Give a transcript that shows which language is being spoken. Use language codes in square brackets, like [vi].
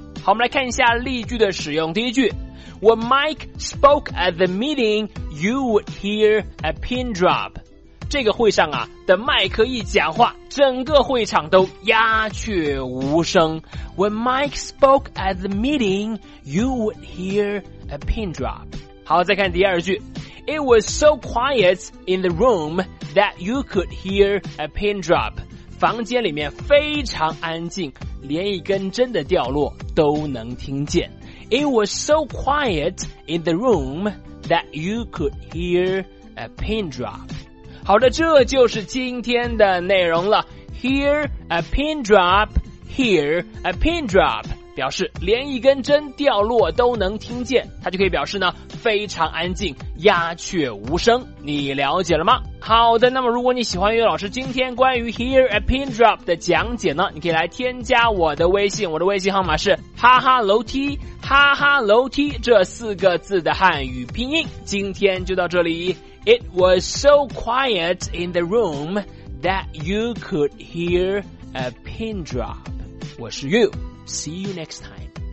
[zh] 好，我们来看一下例句的使用。第一句 [en] ，When Mike spoke at the meeting, you would hear a pin drop。 [zh] 这个会上啊，等麦克一讲话，整个会场都鸦雀无声。 [en] When Mike spoke at the meeting, you would hear a pin drop。 [zh] 好，再看第二句。 [en] It was so quiet in the room that you could hear a pin drop. [zh] 房间里面非常安静，连一根针的掉落都能听见。 [en] It was so quiet in the room that you could hear a pin drop. [zh] 好的，这就是今天的内容了。 [en] Hear a pin drop, hear a pin drop. [zh] 表示连一根针掉落都能听见，它就可以表示呢非常安静，鸦雀无声。你了解了吗？好的，那么如果你喜欢岳老师今天关于 Hear a pin drop 的讲解呢，你可以来添加我的微信，我的微信号码是哈哈楼梯，哈哈楼梯这四个字的汉语拼音。今天就到这里。 [en] It was so quiet in the room that you could hear a pin drop. [zh] 我是 [en] You. See you next time.